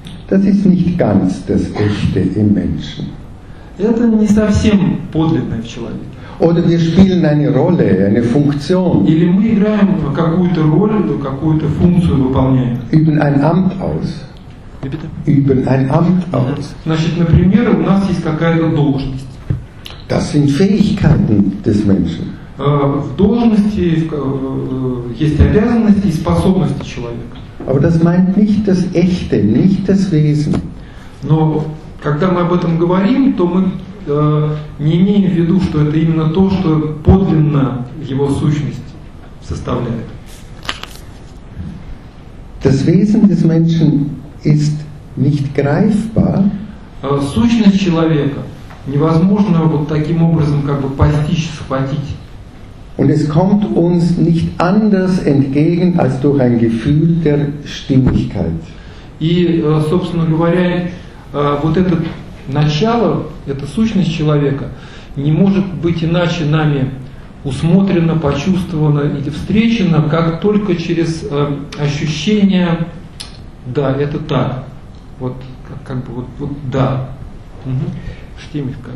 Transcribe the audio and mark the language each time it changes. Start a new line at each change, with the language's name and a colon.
German: Das ist nicht ganz das Echte im Menschen.
Russian: Это не совсем подлинное в человеке.
German: Oder wir spielen eine Rolle, eine Funktion.
Russian: Или мы играем какую-то роль, какую-то функцию выполняем.
German: Üben ein Amt aus. Üben ein Amt aus.
Russian: Значит, например, у нас есть какая-то должность.
German: Das sind Fähigkeiten des Menschen.
Russian: В должности есть обязанности и способности человека.
German: Aber das meint nicht das Echte, nicht das Wesen.
Russian: Но когда мы об этом говорим, то мы не имеем в виду, что это именно то, что подлинно его сущность составляет.
German: Das Wesen des Menschen ist nicht greifbar.
Russian: Сущность человека невозможно вот таким образом как бы постичь, схватить.
German: Und es kommt uns nicht anders entgegen als durch ein Gefühl der Stimmigkeit.
Russian: И, собственно говоря, вот это начало, эта сущность человека не может быть иначе нами усмотрено, почувствовано или встречено, как только через ощущение. Да, это так. Вот как бы вот да. Штимлька.